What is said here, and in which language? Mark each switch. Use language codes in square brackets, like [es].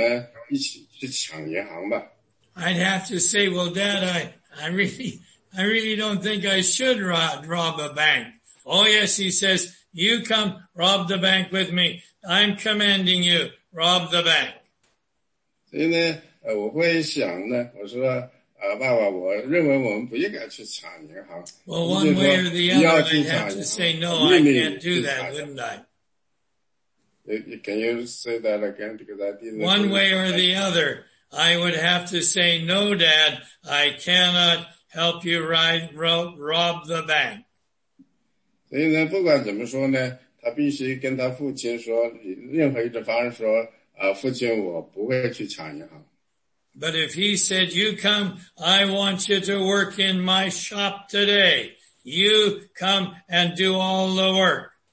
[zh] 所以呢，他说，如果呢，我的父亲他不爱主耶稣，如果有一天我的父亲跟我说，Harold，我们一起去抢银行吧。 [en] I'd have to say, well, Dad, I really don't think I should rob a bank. Oh, yes, he says, you come rob the bank with me. I'm commanding you, rob the bank. [zh] 所以呢，我会想呢，我说，爸爸，我认为我们不应该去抢银行。 [en] Well, one way or the other, I'd have to say, no, I can't do that, wouldn't I? Can you say that again? Because I didn't. One way or the other, I would have to say, no, Dad, I cannot help you rob the bank. [zh] 所以呢，不管怎么说呢。他必须跟他父亲说，任何一种方式说，父亲，我不会去抢银行。 [en] But if he said, you come, I want you to work in my shop today. You come and do all the work.